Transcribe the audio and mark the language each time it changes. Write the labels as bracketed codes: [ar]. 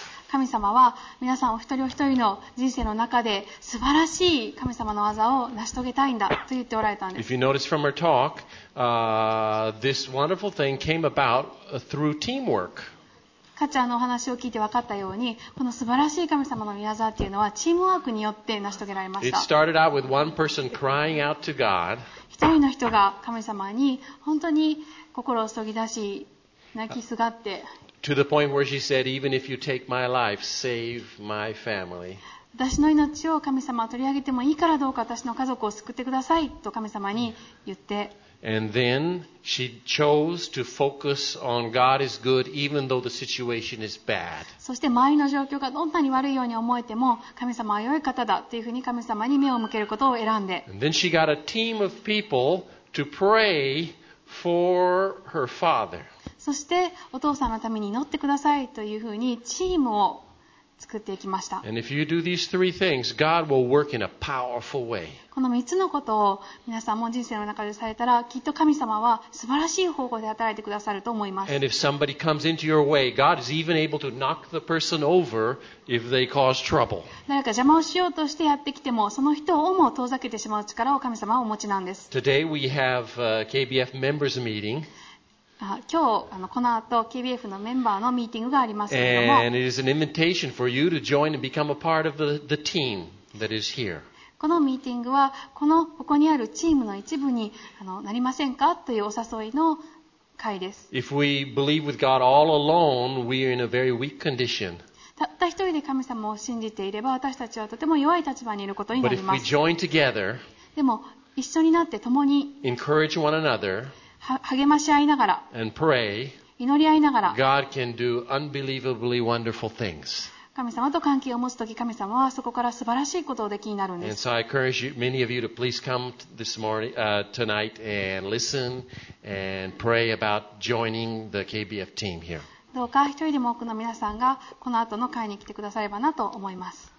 [ja] 神様は皆さんお一人お一人の人生の中で素晴らしい神様の技を成し遂げたいんだと言っておられたんです。 [en] If you notice from her talk, this wonderful thing came about through teamwork. [ja] かっちゃんのお話を聞いて分かったようにこの素晴らしい神様の御業っていうのはチームワークによって成し遂げられました。 [en] It started out with one person crying out to God. [ja] 一人の人が神様に本当に心を注ぎ出し泣きすがって [en] To the point where she said, even if you take my life, save my family. [ja] 私の命を神様取り上げてもいいからどうか私の家族を救ってくださいと神様に言って [en] And then she chose to focus on God is good even though the situation is bad. [ja] そして周りの状況がどんなに悪いように思えても神様は良い方だというふうに神様に目を向けることを選んで。 [en] And then she got a team of people to pray for her father. [ja] そしてお父さんのために祈ってくださいというふうにチームを作っていきました。 [en] And if you do these three things, God will work in a powerful way. [ja] この3つのことを皆さんも人生の中でされたら、きっと神様は素晴らしい方法で働いてくださると思います。 [en] And if somebody comes into your way, God is even able to knock the person over if they cause trouble. [ja] 誰か邪魔をしようとしてやってきても、その人をも遠ざけてしまう力を神様はお持ちなんです。 [en] Today we have a KBF members meeting. [ja] 今日この後 KBF のメンバーのミーティングがありますけれども [en] And it is an invitation for you to join and become a part of the team that is here. [ja] このミーティングはこのここにあるチームの一部になりませんかというお誘いの会です。 [en] If we believe with God all alone, we are in a very weak condition. [ja] たった一人で神様を信じていれば私たちはとても弱い立場にいることになります。 [en] But if we join together, [ja] でも一緒になって共に [en] encourage one another, [ja] 励まし合いながら [en] and pray, [ja] 祈り合いながら [en] God can do unbelievably wonderful things. [ja] 神様と関係を持つとき神様はそこから素晴らしいことをできになるんです。 [en] And so I encourage you, many of you to please come this morning, tonight and listen and pray about joining the KBF team here. [ja] どうか一人でも多くの皆さんがこの後の会に来てくださればなと思います。